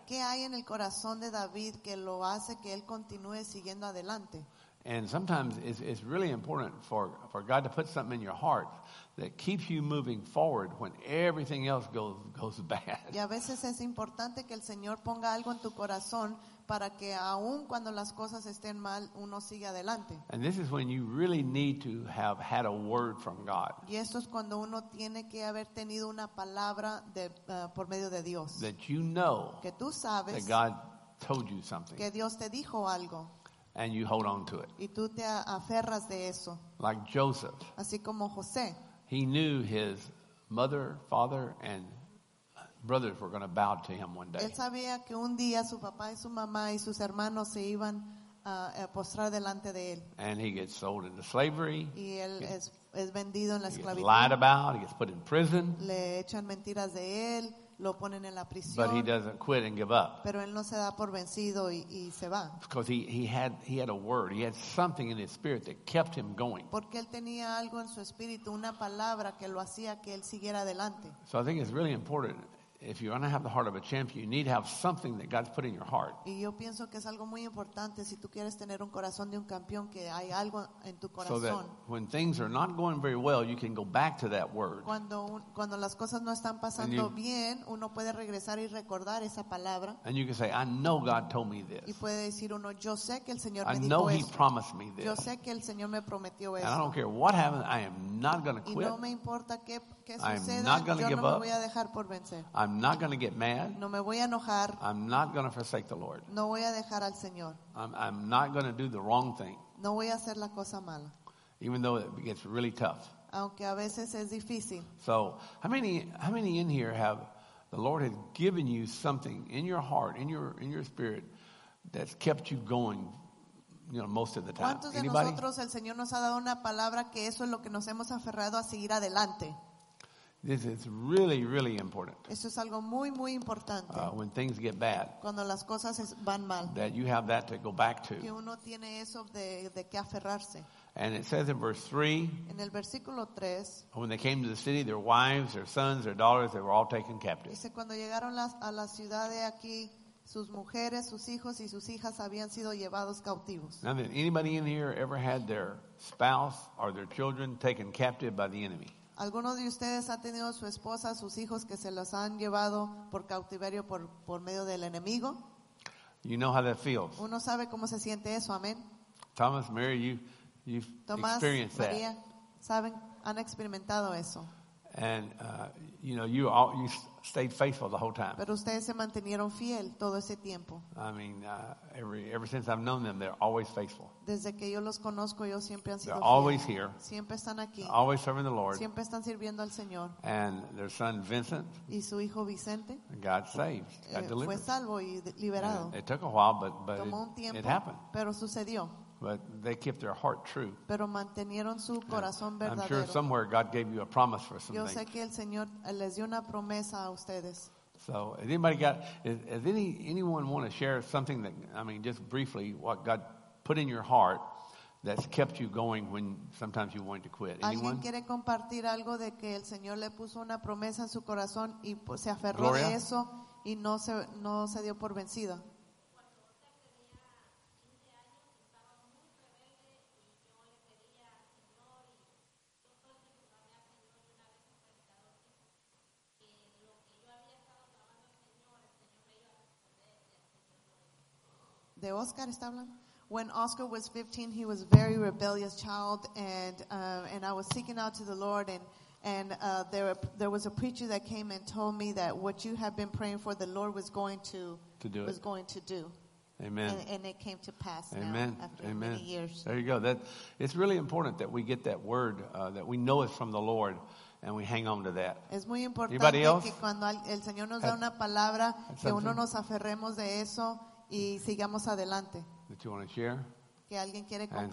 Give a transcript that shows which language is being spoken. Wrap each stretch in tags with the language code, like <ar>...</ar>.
<es>¿Qué hay en el corazón de David que lo hace que él continúe siguiendo adelante?</es> <en>And sometimes it's really important for God to put something in your heart that keeps you moving forward when everything else goes bad.</en> <es>Y a veces es importante que el Señor ponga algo en tu corazón para que aun cuando las cosas estén mal, uno siga adelante.</es> <en>And this is when you really need to have had a word from God.</en> <es>Y esto es cuando uno tiene que haber tenido una palabra de por medio de Dios.</es> <en>That you know</en> <es>que tú sabes</es> <en>that God told you something.</en> <es>Que Dios te dijo algo.</es> <en>And you hold on to it.</en> <es>Y tú te aferras de eso.</es> <en>Like Joseph.</en> <es>Así como José.</es> <en>He knew his mother, father, and brothers were going to bow to him one day.</en> <es>Él sabía que un día su papá y su mamá y sus hermanos se iban a postrar delante de él.</es> <en>And he gets sold into slavery.</en> <es>Y él es vendido en la esclavitud.</es> <en>He gets lied about. He gets put in prison.</en> <es>Le echan mentiras de él. Lo ponen en la prisión.</es> <en>But he doesn't quit and give up.</en> <es>Pero él no se da por vencido y se va.</es> <en>Because he had a word. He had something in his spirit that kept him going.</en> <es>Porque él tenía algo en su espíritu, una palabra que lo hacía que él siguiera adelante.</es> <en>So I think it's really important. If you want to have the heart of a champion, you need to have something that God's put in your heart.</en> <es>Y yo pienso que es algo muy importante si tú quieres tener un corazón de un campeón que hay algo en tu corazón.</es> <en>So that when things are not going very well, you can go back to that word.</en> <es>Cuando las cosas no están pasando bien, uno puede regresar y recordar esa palabra.</es> <en>And you can say, I know God told me this.</en> <es>Y puede decir uno, yo sé que el Señor me dijo</es> <en>esto. I know He promised me this.</en> <es>Yo sé que el Señor me prometió esto.</es> <en>And I don't care what happens, I am not going to quit.</en> <es>Y no me importa qué suceda,</es> <en>I'm not going to give up.</en> <es>Yo no me voy a dejar por vencer.</es> <en>I'm not going to get mad.</en> <es>No me voy a enojar.</es> <en>I'm not going to forsake the Lord.</en> <es>No voy a dejar al Señor.</es> <en>I'm not going to do the wrong thing.</en> <es>No voy a hacer la cosa mala.</es> <en>Even though it gets really tough.</en> <es>Aunque a veces es difícil.</es> <en>So, how many in here have the Lord has given you something in your heart, in your spirit that's kept you going? You know, most of the time.</en> <es>¿Cuántos de nosotros el Señor nos ha dado una palabra que eso es lo que nos hemos aferrado a seguir adelante?</es> <en>This is really, really important.</en> <es>Esto es algo muy, muy importante.</es> <en>When things get bad,</en> <es>cuando las cosas van mal,</es> <en>that you have that to go back to.</en> <es>Que uno tiene eso de qué aferrarse.</es> <en>And it says in verse 3,</en> <es>en el versículo 3,</es> <en>when they came to the city, their wives, their sons, their daughters, they were all taken captive.</en> <es>Dice, cuando llegaron a la ciudad de aquí, sus mujeres, sus hijos y sus hijas habían sido llevados cautivos.</es> <en>Now, did anybody in here ever had their spouse or their children taken captive by the enemy?</en> <es>¿Alguno de ustedes ha tenido su esposa, sus hijos que se los han llevado por cautiverio por medio del enemigo?</es> <en>You know how that feels.</en> <es>Uno sabe cómo se siente eso, amén.</es> <en>Thomas, Mary, you've experienced that.</en> <es>Tomás, María, saben, han experimentado eso.</es> <en>And you know, you stayed faithful the whole time.</en> <es>Pero ustedes se mantuvieron fiel todo ese tiempo.</es> <en>I mean, ever since I've known them, they're always faithful.</en> <es>Desde que yo los conozco, ellos siempre han sido</es> <en>fieles. They're always here.</en> <es>Siempre están aquí.</es> <en>Always serving the Lord.</en> <es>Siempre están sirviendo al Señor.</es> <en>And their son Vincent.</en> <es>Y su hijo Vicente.</es> <en>God saved. Got delivered.</en> <es>Fue salvo y liberado.</es> <en>It took a while, but it happened.</en> <es>Pero sucedió.</es> <en>But they kept their heart true.</en> <es>Pero mantenieron su corazón verdadero.</es> <en>I'm sure somewhere God gave you a promise for something.</en> <es>Yo sé que el Señor les dio una promesa a ustedes.</es> <en>So, has anyone want to share something that, I mean, just briefly, what God put in your heart that's kept you going when sometimes you wanted to quit? Anyone?</en> <es>¿Alguien quiere compartir algo de que el Señor le puso una promesa en su corazón y se aferró Gloria? De eso y no se dio por vencido? De Oscar está hablando.</es> <en>When Oscar was 15, he was a very rebellious child, and I was seeking out to the Lord, and there was a preacher that came and told me that what you have been praying for, the Lord was going to do was it. Going to do. Amen. And it came to pass. Amen. Now, after Amen. Many years. There you go. That it's really important that we get that word that we know it's from the Lord, and we hang on to that.</en> <es>Es muy importante.</es> <en>Anybody else?</en> <es>Que cuando el Señor nos da una palabra, que uno nos aferremos de eso y sigamos adelante.</es> <en>That you want to share?</en> <es>Que alguien quiere compartir.</es>